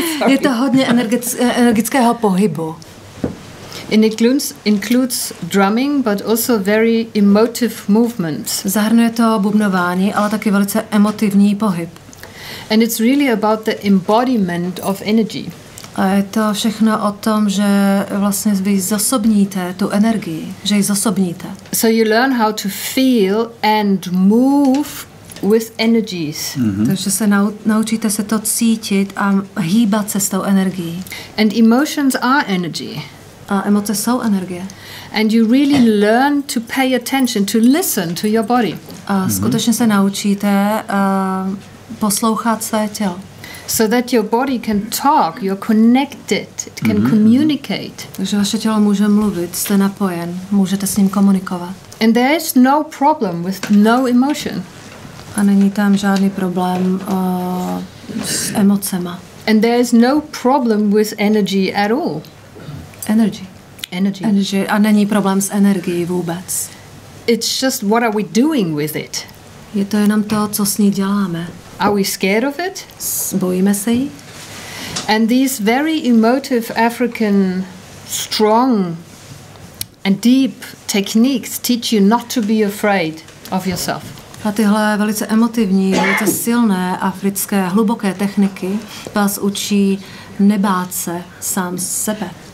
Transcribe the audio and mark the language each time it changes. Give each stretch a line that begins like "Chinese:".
Czech: Je to hodně energického pohybu.
English: It includes drumming, but also very emotive movements.
Czech: Zahrnuje to bubnování, ale taky velice emotivní pohyb.
English: And it's really about the embodiment of energy.
Czech: A je to všechno o tom, že vlastně vy zosobníte tu energii, že ji zosobníte.
English: So you learn how to feel and move with energies. Mm-hmm.
Czech: Takže se naučíte se to cítit a hýbat se s tou energií.
English: And emotions are energy.
Czech: A emoce jsou energie.
English: And you really learn to pay attention, to listen to your body.
Czech: A skutečně se naučíte poslouchat své tělo.
English: So that your body can talk, you're connected, it can communicate.
Czech: Takže vaše tělo může mluvit, jste napojen, můžete s ním komunikovat.
English: And there is no problem with no emotion. A není tam žádný problém s emocema. And there is no problem with energy at all. Energy.
Czech: A není problém s energií vůbec.
English: It's just what are we doing with it?
Czech: Je to jenom to, co s ní děláme.
English: Are we scared of it?
Czech: Bojíme se jí?
English: And these very emotive African strong and deep techniques teach you not to be afraid of yourself.
Czech: A tyhle velice emotivní, velice silné africké hluboké techniky vás učí nebát se sám sebe.